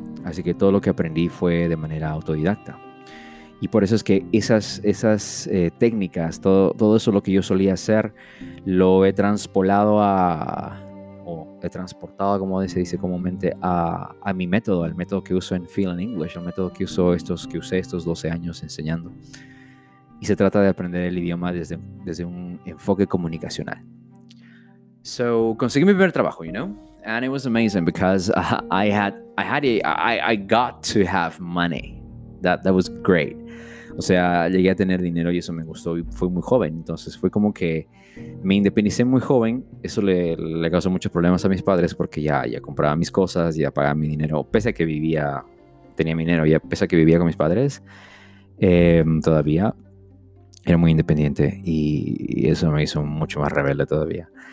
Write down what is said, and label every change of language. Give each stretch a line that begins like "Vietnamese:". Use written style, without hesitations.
Spanish: Así que todo lo que aprendí fue de manera autodidacta. Y por eso es que esas técnicas, todo eso lo que yo solía hacer, lo he transportado, como se dice comúnmente, a mi método, al método que uso en Feel in English, el método que uso estos, que usé estos 12 años enseñando. Y se trata de aprender el idioma desde un enfoque comunicacional.
English: So,
Spanish: conseguí mi primer trabajo,
English: you know? And it was amazing because I got to have money. That was great.
Spanish: O sea, llegué a tener dinero y eso me gustó. Y fui muy joven, entonces fue como que me independicé muy joven. Eso le causó muchos problemas a mis padres porque ya compraba mis cosas, ya pagaba mi dinero. Pese a que vivía, tenía mi dinero, ya pese a que vivía con mis padres, todavía era muy independiente y eso me hizo mucho más rebelde todavía.